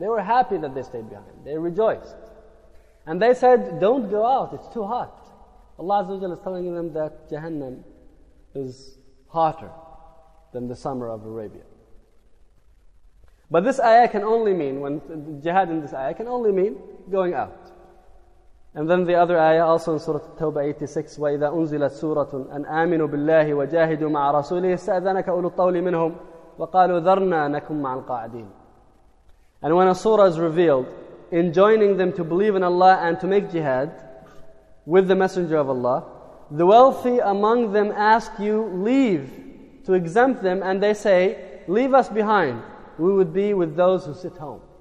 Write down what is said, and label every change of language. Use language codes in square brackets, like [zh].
[en] They were happy that they stayed behind. They rejoiced. And they said, don't go out, it's too hot. Allah Azza wa Jalla is telling them that Jahannam is hotter than the summer of Arabia. But this ayah can only mean, when jihad in this ayah can only mean going out. And then the other ayah also in Surah At-Tawbah 86, [ar] وَإِذَا أُنزِلَتْ سُورَةٌ أَنْ آمِنُوا بِاللَّهِ وَجَاهِدُوا مَعَ رَسُولِهِ سَأَذَنَكَ أُولُو الطَّوْلِ مِنْهُمْ وَقَالُوا ذَرْنَا نَكُمْ مَعَ الْقَاعِدِينَ. [en] And when a surah is revealed, enjoining them to believe in Allah and to make jihad with the Messenger of Allah, the wealthy among them ask you leave to exempt them, and they say, leave us behind, we would be with those who sit home.